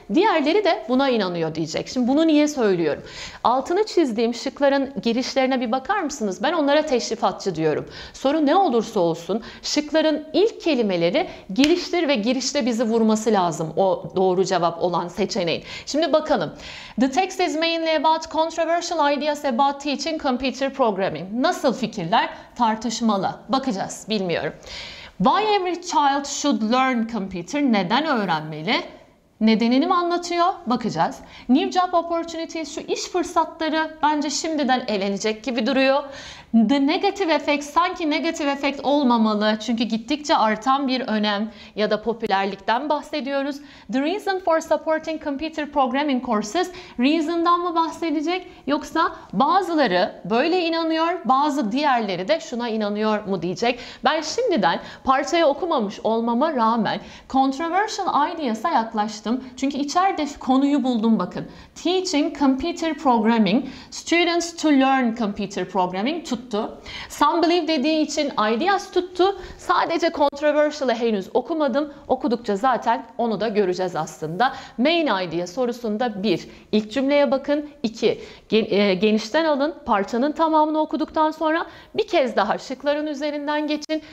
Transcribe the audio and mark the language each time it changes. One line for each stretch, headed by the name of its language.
Turkish: Diğerleri de buna inanıyor diyecek. Şimdi bunu niye söylüyorum? Altını çizdiğim şıkların girişlerine bir bakar mısınız? Ben onlara teşrifatçı diyorum. Soru ne olursa olsun şıkların ilk kelimeleri giriştir ve girişte bizi vurması lazım o doğru cevap olan seçeneğin. Şimdi bakalım.
English: The text is mainly about controversial ideas about teaching computer programming.
Turkish: Nasıl fikirler? Tartışmalı. Bakacağız. Bilmiyorum.
English: Why every child should learn computer?
Turkish: Neden öğrenmeli? Nedenini mi anlatıyor? Bakacağız.
English: New job opportunities,
Turkish: şu iş fırsatları bence şimdiden elenecek gibi duruyor.
English: The negative effect,
Turkish: sanki
English: negative effect
Turkish: olmamalı. Çünkü gittikçe artan bir önem ya da popülerlikten bahsediyoruz.
English: The reason for supporting computer programming courses,
Turkish: reason'dan mı bahsedecek? Yoksa bazıları böyle inanıyor, bazı diğerleri de şuna inanıyor mu diyecek? Ben şimdiden parçayı okumamış olmama rağmen
English: controversial ideas'a
Turkish: yaklaştım. Çünkü içeride konuyu buldum bakın.
English: Teaching computer programming, students to learn computer programming
Turkish: tuttu.
English: Some believe
Turkish: dediği için ideas tuttu. Sadece controversial'ı henüz okumadım. Okudukça zaten onu da göreceğiz aslında. Main idea sorusunda 1. İlk cümleye bakın. 2. Genişten alın. Parçanın tamamını okuduktan sonra bir kez daha şıkların üzerinden geçin.